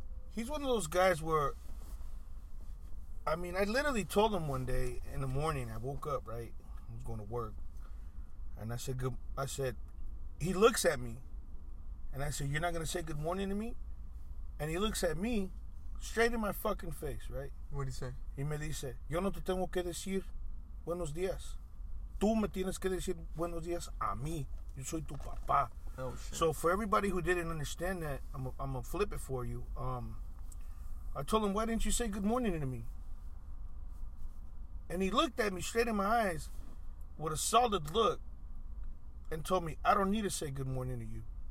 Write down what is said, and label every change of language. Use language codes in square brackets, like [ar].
[en] He's one of those guys where, I mean, I literally told him one day in the morning, I woke up, right? I was going to work. And I said, he looks at me. And I said, you're not going to say good morning to me? And he looks at me straight in my fucking face, right? What did he say? [es] He me dice, yo no te tengo que decir buenos días. Tú me tienes que decir buenos días a mí. Yo soy tu papá. [en] Oh, shit. So for everybody who didn't understand that, I'm going to flip it for you. I told him, why didn't you say good morning to me? And he looked at me straight in my eyes with a solid look and told me, I don't need to say good morning to you.